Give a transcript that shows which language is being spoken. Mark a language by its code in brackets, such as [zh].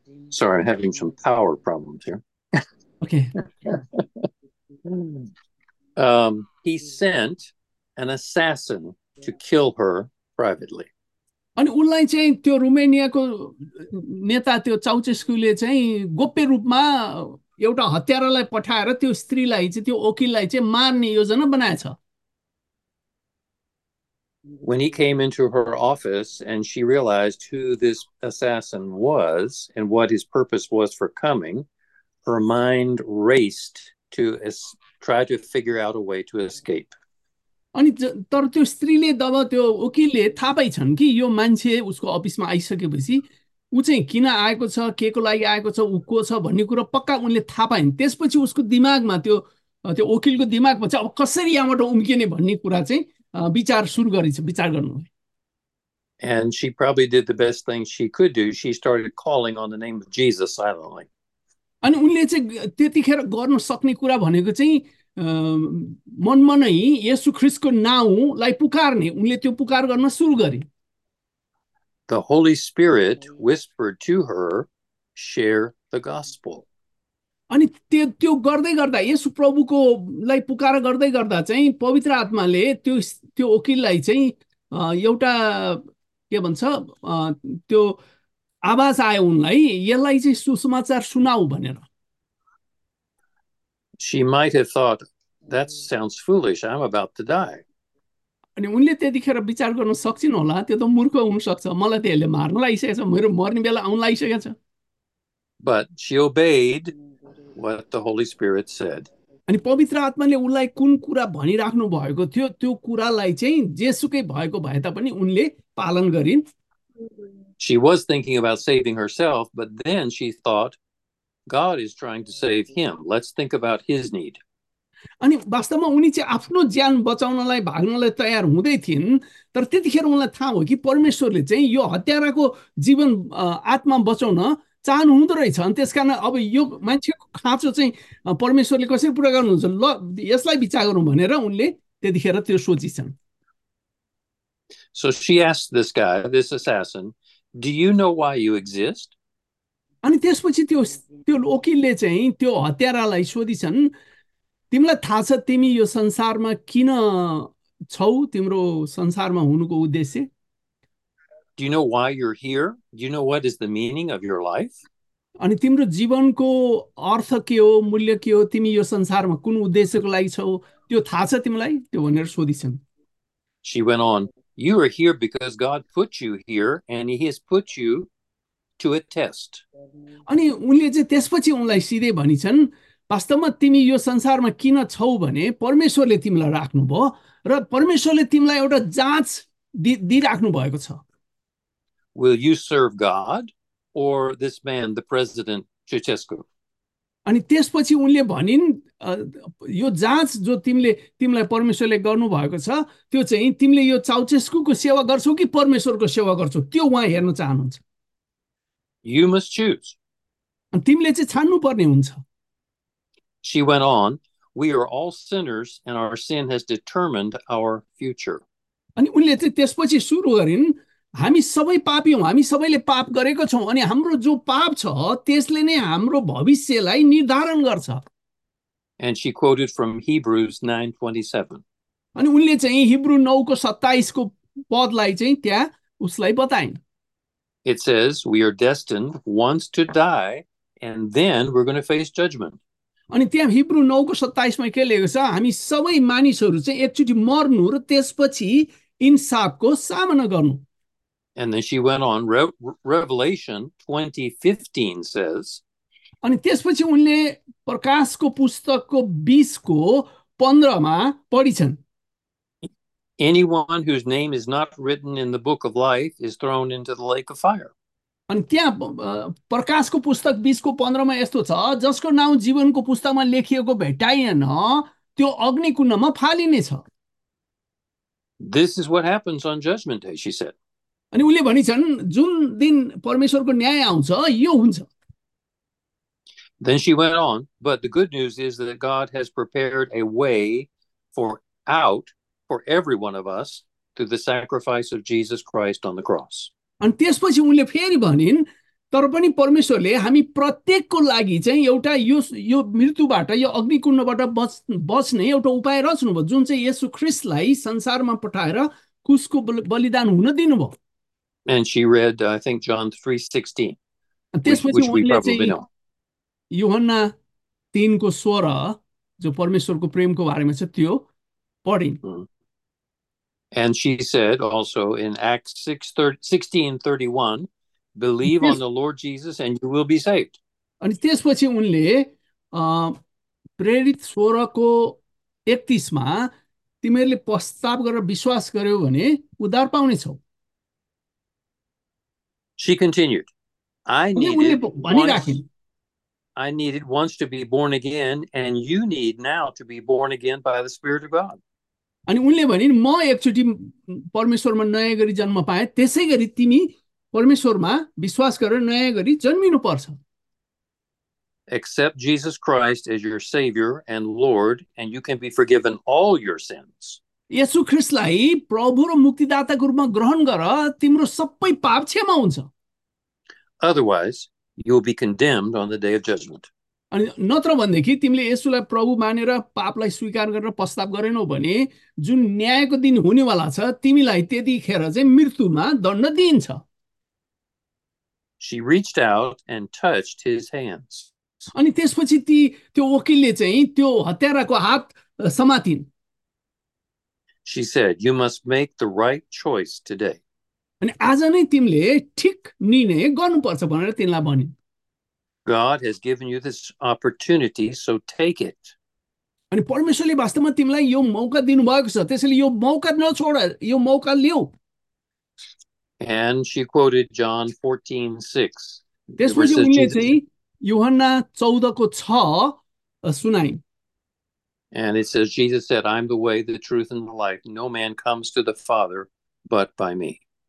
[en] Sorry, I'm having some power problems here. Okay he sent an assassin to kill her privately. [ne] अनि उनलाई चाहिँ त्यो रोमेनियाको नेता त्यो चाउचेस्कुले चाहिँ गोप्य रूपमा एउटा हत्यारालाई पठाएर त्यो स्त्रीलाई चाहिँ त्यो वकिललाई चाहिँ मार्ने योजना बनाएछ। [en] When he came into her office and she realized who this assassin was and what his purpose was for coming, her mind raced to try to figure out a way to escape. [ne] अनि तर त्यो स्त्रीले तब त्यो वकिलले थाहा पाइछन् कि यो मान्छे उसको अफिसमा आइसकेपछि ऊ चाहिँ किन आएको छ के को लागि आएको छ ऊ को छ भन्ने कुरा पक्का उनले थाहा पाइन्। त्यसपछि उसको दिमागमा त्यो त्यो वकिलको दिमागमा चाहिँ अब कसरी यहाँबाट उम्किने भन्ने कुरा चाहिँ विचार सुरु गरिन्छ विचार गर्नुभयो। [en] And she probably did the best thing she could do. She started calling on the name of Jesus silently. [ne] अनि उनले चाहिँ त्यतिखेर गर्न सक्ने कुरा भनेको चाहिँ मनमा नै येशु ख्रिस्टको नाउँलाई पुकार्ने उनले त्यो पुकार गर्न सुरु गरे। [en] The Holy Spirit whispered to her, share the gospel. [ne] अनि त्यो त्यो गर्दै गर्दा येशु प्रभुको लाई पुकार गर्दै गर्दा चाहिँ पवित्र आत्माले त्यो त्यो वकिललाई चाहिँ एउटा के भन्छ त्यो आवाज आयो उनलाई यसलाई चाहिँ सुसमाचार सुनाऊ भनेर। [en] She might have thought, that sounds foolish, I'm about to die. [ne] अनि उनले त्यतिखेर विचार गर्न सक्छिन् होला त्यो त मूर्ख हुनसक्छ मलाई त यसले मार्न लागिसकेको छ मेरो मर्ने बेला आउन लागिसकेको छ। [en] But she obeyed what the Holy Spirit said. [ne] अनि पवित्र आत्माले उनलाई कुन कुरा भनिराख्नु भएको थियो त्यो कुरालाई चाहिँ जेसुकै भएको भए तापनि उनले पालन गरिन्। [en] She was thinking about saving herself, but then she thought, God is trying to save him. Let's think about his need. [ne] अनि वास्तवमा उनी चाहिँ आफ्नो ज्यान बचाउनलाई भाग्नलाई तयार हुँदै थिइन् तर त्यतिखेर उनलाई थाहा हो कि परमेश्वरले चाहिँ यो हत्याराको जीवन आत्मा बचाउन चाहनुहुँदो रहेछ अनि त्यसकारण अब यो मान्छेको खाँचो चाहिँ परमेश्वरले कसरी पुरा गर्नुहुन्छ ल यसलाई विचार गरौँ भनेर उनले त्यतिखेर त्यो सोचिछन्। [en] So she asked this guy, this assassin, do you know why you exist? [ne] अनि त्यसपछि त्यो त्यो वकिलले चाहिँ त्यो हत्यारालाई सोधिछन्, तिमीलाई थाहा छ तिमी यो संसारमा किन छौ, तिम्रो संसारमा हुनुको उद्देश्य? [en] Do you know why you're here? Do you know what is the meaning of your life? [ne] अनि तिम्रो जीवनको अर्थ के हो, मूल्य के हो, तिमी यो संसारमा कुन उद्देश्यको लागि छौ, त्यो थाहा छ तिमीलाई? त्यो भनेर सोधिछन्। [en] She went on, "You are here because God put you here, and He has put you to a test." [ne] अनि उनले चाहिँ त्यसपछि उनलाई सिधै भनिछन्, वास्तवमा तिमी यो संसारमा किन छौ भने परमेश्वरले तिमीलाई राख्नुभयो र परमेश्वरले तिमीलाई एउटा जाँच दिइराख्नु भएको छ। [en] Will you serve God or this man, the President Ceausescu? [ne] अनि त्यसपछि उनले भनिन्, यो जाँच जो तिमीले तिमीलाई परमेश्वरले गर्नुभएको छ त्यो चाहिँ तिमीले यो चाउचेस्कुको सेवा गर्छौ कि परमेश्वरको सेवा गर्छौ, त्यो उहाँ हेर्न चाहनुहुन्छ। [en] You must choose. [ne] तिमीले चाहिँ छान्नु पर्ने हुन्छ। [en] She went on, "We are all sinners, and our sin has determined our future." [ne] अनि उनले चाहिँ त्यसपछि सुरु गरिन्, हामी सबै पापी हौँ, हामी सबैले पाप गरेको छौँ, अनि हाम्रो जो पाप छ त्यसले नै हाम्रो भविष्यलाई निर्धारण गर्छ। अनि [en] And she quoted from Hebrews 9:27. [ne] उनले चाहिँ हिब्रू 9:27 को पदलाई चाहिँ त्यहाँ उसलाई बताइन्। [en] It says, "We are destined once to die, and then we're going to face judgment." [ne] अनि त्यहाँ हिब्रू 9:27 के लेखेको छ, हामी सबै मानिसहरू चाहिँ एकचोटि मर्नु र त्यसपछि इन्साफको सामना गर्नु। [en] And then she went on, Re Revelation 20:15 says, [ne] अनि त्यसपछि उनले प्रकाशको पुस्तकको 20:15 पढिछन्, [en] Anyone whose name is not written in the book of life is thrown into the lake of fire. [ne] अनि त्यहाँ प्रकाशको पुस्तक 20:15 यस्तो छ, जसको नाउँ जीवनको पुस्तकमा लेखिएको भेटाइएन त्यो अग्निकुण्डमा फालिनेछ। [en] This is what happens on Judgment Day, she said. [ne] अनि उनले भनिछन्, जुन दिन परमेश्वरको न्याय आउँछ यो हुन्छ। [en] Then she went on, but the good news is that God has prepared a way for out. For every one of us through the sacrifice of Jesus Christ on the cross. [ne] अनि त्यसपछि उनले फेरि भनिन्, तर पनि परमेश्वरले हामी प्रत्येकको लागि चाहिँ एउटा यो मृत्युबाट, यो अग्निकुण्डबाट बच्ने एउटा उपाय रच्नुभयो, जुन चाहिँ येशू ख्रिस्टलाई संसारमा पठाएर कुशको बलिदान हुन दिनुभयो। [en] And she read, I think, John 3:16, [ne] त्यसपछि [en] which we [ne] उनले [en] probably [ne] चाहिँ [en] know. [ne] युहन्ना 3:16 जो परमेश्वरको प्रेमको बारेमा छ त्यो पढिन्। [en] And she said also in Acts 16:31, believe on the Lord Jesus and you will be saved. [ne] अनि त्यसपछि उनले प्रेरित 16:31 तिमीहरूले पश्चाताप गरेर विश्वास गर्यौ भने उद्धार पाउनेछौ। [en] She continued, [ne] अनि उनले भनिराखिन्, [en] I needed once to be born again, and you need now to be born again by the Spirit of God. [ne] अनि उनले भनिन्, म एकचोटि परमेश्वरमा नयाँ गरी जन्म पाएँ, त्यसै गरी तिमी परमेश्वरमा विश्वास गरेर नयाँ गरी जन्मिनु पर्छ। [en] Accept Jesus Christ as your Savior and Lord, and you can be forgiven all your sins. [ne] येशू ख्रिस्टलाई प्रभु र मुक्तिदाताको रूपमा ग्रहण गर, तिम्रो सबै पाप क्षमा हुन्छ। [en] Otherwise, you'll be condemned on the day of judgment. [ne] अनि नत्र भनेदेखि तिमीले येशूलाई प्रभु मानेर पापलाई स्वीकार गरेर पश्चाताप गरेनौ भने जुन न्यायको दिन हुनेवाला छ तिमीलाई त्यतिखेर चाहिँ मृत्युमा दण्ड दिइन्छ। [en] She reached out and touched his hands. [ne] अनि त्यसपछि ती त्यो वकिलले चाहिँ त्यो हत्याराको हात समातिन्। [en] She said, "You must make the right choice today." [ne] अनि आज नै तिमीले ठिक निर्णय गर्नुपर्छ भनेर तिनलाई भनिन्। [en] God has given you this opportunity, so take it. [ne] अनि परमेश्वरले वास्तवमा तिमीलाई यो मौका दिनुभएको छ, त्यसैले यो मौका नछोड, यो मौका लियो। [en] And she quoted John 14:6, where it [ne] त्यसपछि [en] says [ne] उनले [en] Jesus said, [ne] चाहिँ युहन्ना 14:6 सुनाइन्। [en] And it says, Jesus said, I'm the way, the truth, and the life. No man comes to the Father but by me.